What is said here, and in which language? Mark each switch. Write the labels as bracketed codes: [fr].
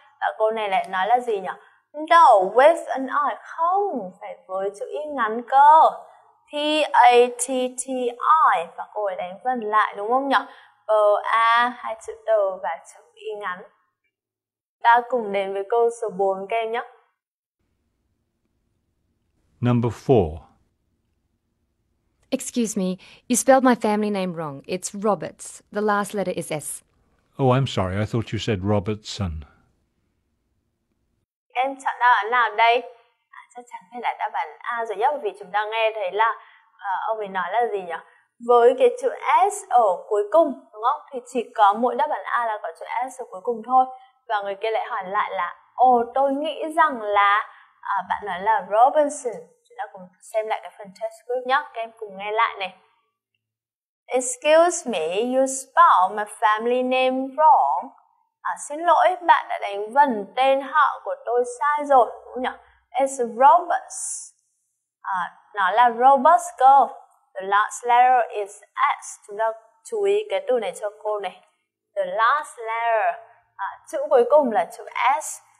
[vi] Và cô này lại nói là gì nhỉ? [en] No, with an I, [vi] không, phải với chữ y ngắn cơ. P-A-T-T-I, và cô ấy đánh vần lại đúng không nhỉ? P-A, hai chữ T và chữ y ngắn. Ta cùng đến với câu số 4 các em nhé. [en] Number 4. Excuse me, you spelled my family name wrong. It's Roberts. The last letter is S. Oh, I'm sorry. I thought you said Robertson. [vi] Em chọn đáp án nào đây? À, chắc chắn phải là đáp án A rồi nhé, vì chúng ta nghe thấy là ông ấy nói là gì nhỉ? Với cái chữ S ở cuối cùng, đúng không? Thì chỉ có mỗi đáp án A là có chữ S ở cuối cùng thôi. Và người kia lại hỏi lại là ồ, tôi nghĩ rằng là bạn nói là Robertson. Chúng ta cùng xem lại cái phần transcript nhé. Các em cùng nghe lại này. [en] Excuse me, you spell my family name wrong. [vi] À, xin lỗi, bạn đã đánh vần tên họ của tôi sai rồi, đúng nhỉ? [en] It's Roberts. [vi] À, nó là Roberts cơ. [en] The last letter is S. [vi] Chúng ta chú ý cái từ này cho cô này. [en] The last letter. [vi] À, chữ cuối cùng là chữ S.